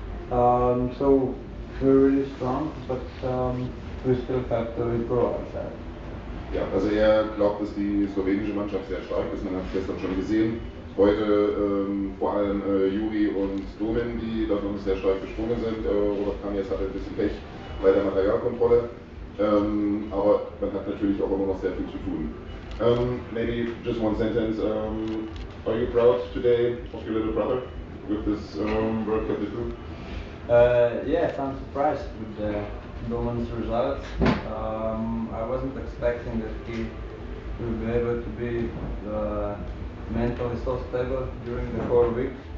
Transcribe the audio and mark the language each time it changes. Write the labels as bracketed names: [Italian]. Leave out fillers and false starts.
[English] So we're really strong, but we still have to improve ourselves. [German] Ja, also er glaubt, dass die slowenische Mannschaft sehr stark ist. Man hat gestern schon gesehen. Heute vor allem Juri und Domen, die da noch sehr stark gesprungen sind. Robert Kranjec hatte ein bisschen Pech bei der Materialkontrolle. Aber man hat natürlich auch immer noch sehr viel zu tun. [English] Maybe just one sentence. Are you proud today of your little brother with this World Cup debut? Yes, I'm surprised with the Domen's results. I wasn't expecting that he would be able to be mentally so stable during the 4 weeks.